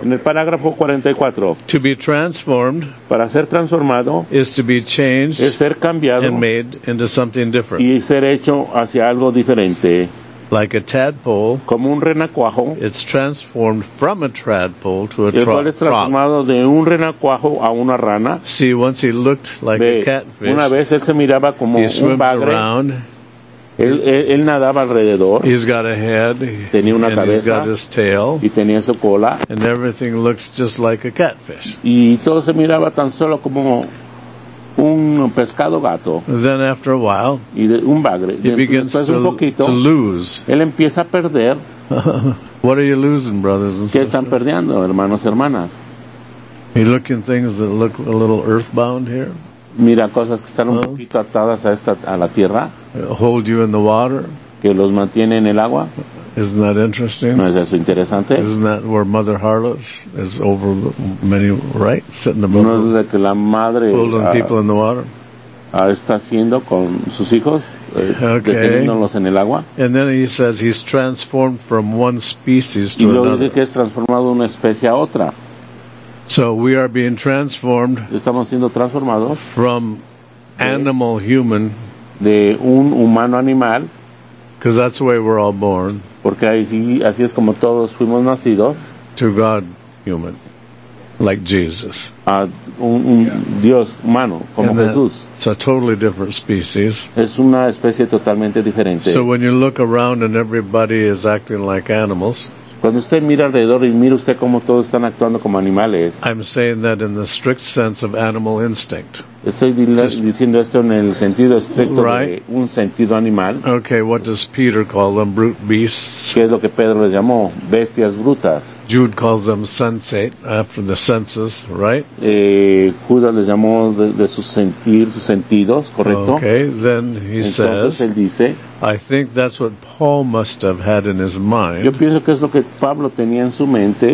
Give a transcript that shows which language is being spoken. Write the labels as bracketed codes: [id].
[es] En el parágrafo 44. [en] To be transformed. [es] Para ser transformado. [en] Is to be changed. [es] Es ser cambiado. [en] And made into something different. [es] Y ser hecho hacia algo diferente. [en] Like a tadpole, [es] como un renacuajo, [en] it's transformed from a tadpole to a frog. [es] El cual es transformado de un renacuajo a una rana. [en] See, once he looked like a catfish, [es] una vez él se miraba como [en] he [es] un bagre. [en] Around. [es] Él nadaba alrededor. [en] He's got a head. [es] Tenía una [en] and [es] cabeza. [en] He's got his tail. [es] Y tenía su cola. [en] And everything looks just like a catfish. [es] Y todo se miraba tan solo como un pescado gato. [en] Then after a while, [es] y de un bagre. [en] He begins [es] después un poquito, [en] to lose. [es] Él empieza a perder. [en] What are you losing, brothers and [es] ¿qué [en] sisters? [es] Están perdiendo, hermanos y hermanas? [en] Are you looking things that look a little earthbound here? [es] Mira cosas que están un poquito atadas a esta a la tierra. [en] Hold you in the water. [es] Que los mantiene en el agua. [en] Isn't that interesting? [es] ¿No es eso interesante? [en] Isn't that where Mother Harlots is over the many, right? Sitting above [es] ¿no es de que la madre [en] holding people in the water? [es] Está haciendo con sus hijos, [en] okay. [es] Deteniéndolos en el agua. [en] And then he says he's transformed from one species to another. [es] Y luego dice que es transformado de una especie a otra. [en] So we are being transformed. [es] Estamos siendo transformados. [en] From animal human. [es] De un humano animal. [en] Because that's the way we're all born. [es] Porque así es como todos fuimos nacidos. [en] To God, human, like Jesus. [es] A un Dios humano como Jesús. [en] It's a totally different species. [es] Es una especie totalmente diferente. [en] So when you look around and everybody is acting like animals. [es] Cuando usted mira alrededor y mira usted cómo todos están actuando como animales. [en] I'm saying that in the strict sense of animal instinct. [es] Estoy diciendo esto en el sentido estricto [en] right? [es] De un sentido animal. [en] Okay, what does Peter call them? Brute beasts. [es] ¿Qué es lo que Pedro les llamó? Bestias brutas. [en] Jude calls them sensate after the senses, right? [es] Judas les llamó de su sentir, sus sentidos, ¿correcto? [en] Okay, then he [es] entonces, [en] says. [es] Él dice, [en] I think that's what Paul must have had in his mind. [es] Yo pienso que es lo que Pablo tenía en su mente.